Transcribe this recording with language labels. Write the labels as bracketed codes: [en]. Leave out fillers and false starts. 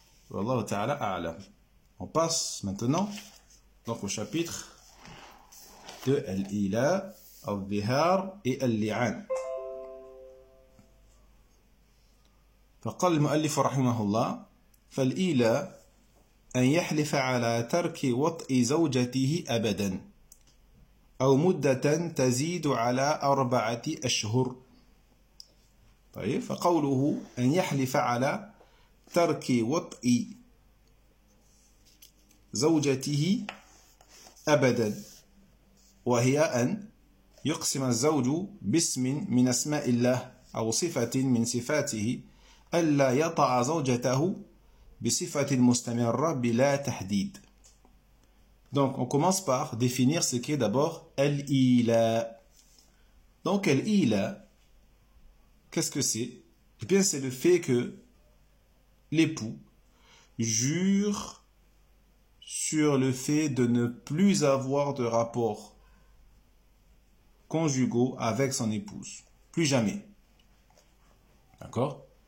[fr] Wallahu ta'ala a'lam. On passe maintenant donc au chapitre de Al-Ila, Al-Bihar et Al-Li'an. [ar] فقال المؤلف رحمه الله فالإيلاء أن يحلف على ترك وطء زوجته أبدا أو مدة تزيد على أربعة أشهر. طيب فقوله أن يحلف على ترك وطء زوجته أبدا وهي أن يقسم الزوج باسم من أسماء الله أو صفة من صفاته ألا يطع زوجته بصفة مستمرة بلا تحديد. [fr] Donc on commence par définir ce qu'est d'abord al-ila. Donc al-ila, qu'est-ce que c'est? Eh bien c'est le fait que l'époux jure sur le fait de ne plus avoir de rapports conjugaux avec son épouse, plus jamais. D'accord?